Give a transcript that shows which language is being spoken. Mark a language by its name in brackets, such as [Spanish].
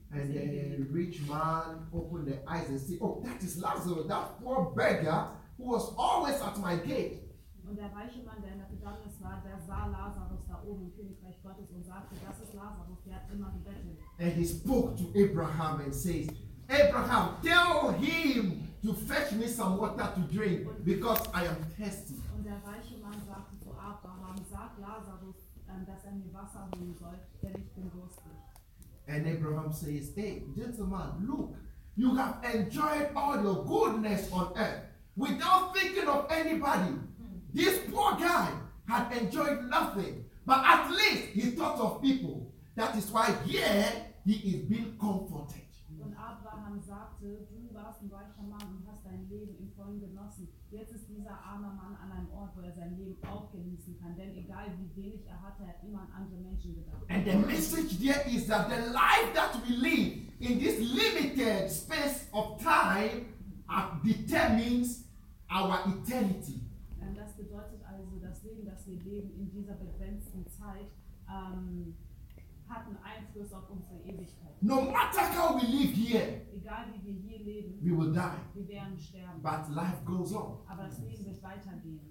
[English] And the rich man opened the eyes and said, "Oh, that is Lazarus, that poor beggar who was always at my gate." [German] Und der reiche Mann, der in der Verdammnis war, der sah Lazarus da oben im Königreich Gottes und sagte, das ist Lazarus, der hat immer gebettelt. [English] And he spoke to Abraham and says, Abraham, tell him to fetch me some water to drink, because I am thirsty. [German] Und der reiche Mann sagte zu Abraham, sag Lazarus, dass mir Wasser holen soll, denn ich bin durstig. [English] And Abraham says, hey, gentleman, look, you have enjoyed all your goodness on earth without thinking of anybody. This poor guy had enjoyed nothing, but at least he thought of people. That is why here he is being comforted. [German] Und Abraham sagte, du warst ein reicher Mann und hast dein Leben im Vollen genossen. Jetzt ist dieser arme Mann an einem Ort, wo er sein Leben auch genießen kann. Denn egal wie wenig er hatte, er hat immer an andere Menschen gedacht. [English] And the message there is that the life that we live in this limited space of time determines our eternity. [German] Und das bedeutet also, das Leben, das wir leben in dieser begrenzten Zeit, hat einen Einfluss auf unsere Ewigkeit. [English] No matter how we live here, [German] egal wie wir hier leben, [English] we will die. [German] Wir werden sterben. [English] But life goes on. [German] Aber das Leben wird weitergehen.